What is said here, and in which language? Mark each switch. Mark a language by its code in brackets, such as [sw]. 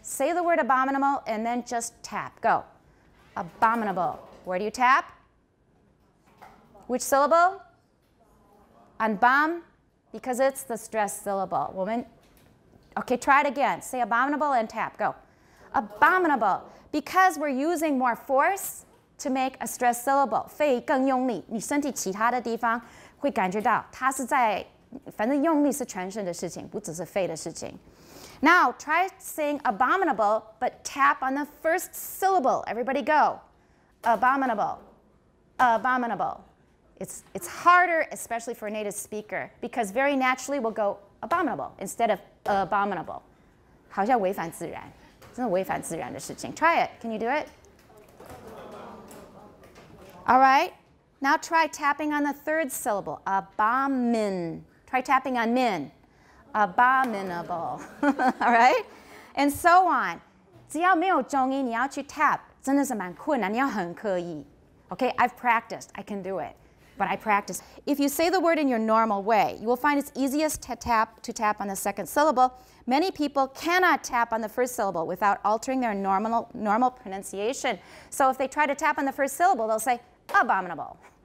[en] Say the word abominable and then just tap. Go. Abominable. Where do you tap? Which syllable? On bom, because it's the stressed syllable. Woman. Okay, try it again. Say abominable and tap. Go. Abominable. Because we're using more force to make a stressed syllable. [zh] 肺更用力，你身体其他的地方会感觉到它是在反正用力是全身的事情，不只是肺的事情。 [en] Now, try saying abominable, but tap on the first syllable. Everybody go. Abominable. Abominable. It's harder, especially for a native speaker, because very naturally we'll go abominable instead of abominable. [zh] 好像违反自然，真的违反自然的事情。 [en] Try it. Can you do it? All right. Now try tapping on the third syllable. Abomin. Try tapping on min. Abominable. All right? And so on. [zh] 只要没有中音，你要去 tap， 真的是蛮困难，你要很刻意。 [en] Okay, I've practiced. I can do it. But I practice. If you say the word in your normal way, you will find it's easiest to tap on the second syllable. Many people cannot tap on the first syllable without altering their normal pronunciation. So if they try to tap on the first syllable, they'll say, abominable.